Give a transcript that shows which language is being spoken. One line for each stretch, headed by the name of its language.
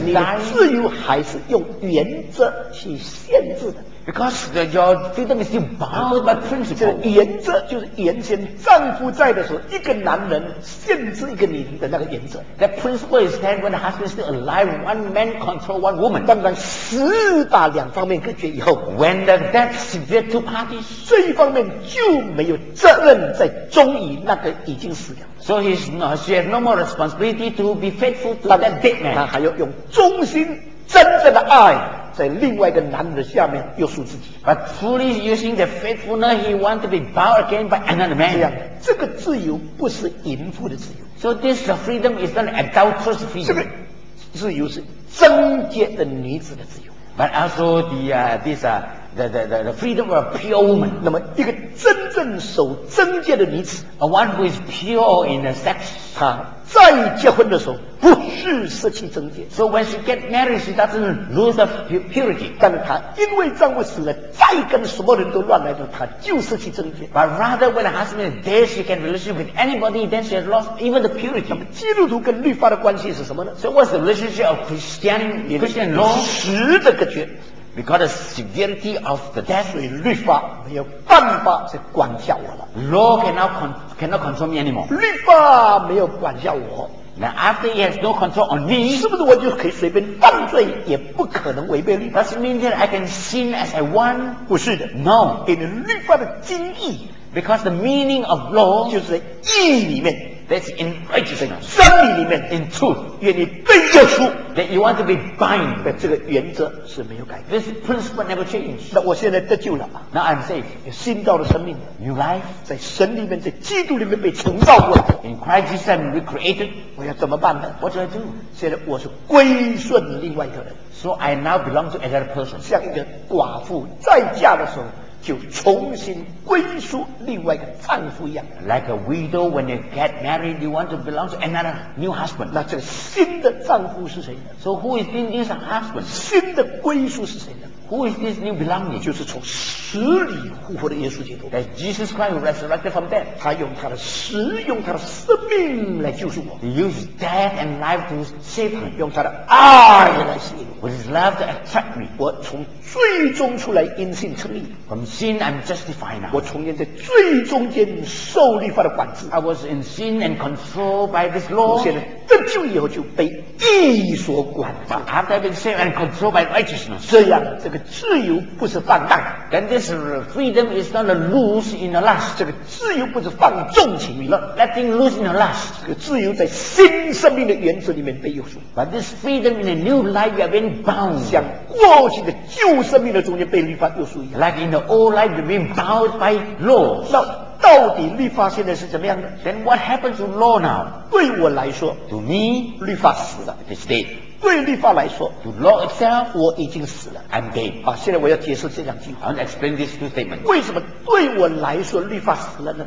Chinese: 你的自由还是用原则去限制的。
English: Because the, your freedom is still bound by principle.
Chinese: 这个原则就是原先丈夫在的时候，一个男人限制一个女人的那个原则。
English: That principle is that when the husband is still alive, one man control one woman.
Chinese: 当然，死把两方面隔绝以后
English: ，when the death severed two parties,
Chinese: 这一方面就没有责任在忠于那个已经死了。
English: So he's not, she has no more responsibility to be faithful to that dead man.
Chinese: 他还要用忠心真正的爱在另外一个男人下面约束自己。
English: But truly using the faithfulness, he wants to be bound again by another man.
Chinese: 这样，这个自由不是淫妇的自由。
English: So this freedom is not adulterous freedom.
Chinese: 这个自由是贞洁的女子的自由。
English: But also the, this, the freedom of a pure woman.
Chinese: 那么一个真正守贞洁的女子
English: a one who is pure in the sex,
Chinese: 她再结婚的时候不是失去贞洁。
English: So when she get married, she doesn't lose her purity.
Chinese: 但她因为丈夫死了再跟什么人都乱来的她就失去贞洁。
English: But rather when her husband is dead, she can relationship with anybody, then she has lost even the purity.
Chinese: 那么基督徒跟律法的关系是什么呢
English: ?So what's the relationship of Christianity? Christian law?
Chinese: 十的隔绝。
English: Because the severity of the death,
Chinese: 所以律法没有办法去管教我了。
English: Law cannot control me anymore.
Chinese: 律法没有管教我。
English: Now after he has no control on me,
Chinese: 是不是我就可以随便犯罪，也不可能违背律法
English: ？Does it mean that I can sin as I want?
Chinese: 不是的
English: ，No.
Chinese: 因为律法的精义
English: ，because the meaning of law
Chinese: 就是在义里面。
English: That's in righteousness.
Chinese: 真理里面
English: in truth.
Chinese: 愿你被约束
English: that you want to be bound.
Chinese: 但这个原则是没有改变
English: This principle never changed.
Chinese: 那我现在得救了
English: Now I'm saved.
Chinese: 新造的生命
English: New life.
Chinese: 在神里面在基督里面被重造过
English: In Christ Jesus I'm recreated.
Chinese: 我要怎么办呢
English: What do I do?
Chinese: 现在我是归顺另外一个人
English: So I now belong to another person.
Chinese: 像一个寡妇再嫁的时候就重新归属另外一个丈夫一样
English: Like a widow when you get married You want to belong to another new husband
Chinese: 那这个新的丈夫是谁呢
English: So who is this husband
Chinese: 新的归属是谁呢
English: Who is this new belonging?
Chinese: 就是从死里复活的耶稣基督。
English: That Jesus Christ resurrected from death.
Chinese: 他用他的死，用他的生命来救赎我。
English: He used death and life to save me.
Chinese: 用他的爱来吸引我。
English: With his love to attract me.
Chinese: 我从罪中出来，因信称义。
English: From sin, I'm justified now.
Chinese: 我从现在罪中间受律法的管制。
English: I was in sin and controlled by this law.
Chinese: 我现在得救以后就被义所管制。
English: But after I've been saved and controlled by righteousness.
Chinese: 这样，这个自由不是放荡。
English: Then this freedom is not a loose in the lust.
Chinese: 这个自由不是放纵情欲了。
English: Letting loose in the lust.
Chinese: 这个自由在新生命的原则里面被约束。
English: But this freedom in a new life you have been bound.
Chinese: 像过去的旧生命的中间被律法约束一样。
English: Like in the old life you have been bound by laws.
Chinese: 那到底律法现在是怎么样的？
English: Then what happens to law now?
Chinese: 对我来说，
English: To me,
Chinese: 律法死了。
English: It is dead.
Chinese: 对律法来说
English: ，To law itself，
Chinese: 我已经死了
English: ，I'm dead。
Chinese: 啊，现在我要解释这两句话。
English: I'll explain these two statements。
Chinese: 为什么对我来说律法死了呢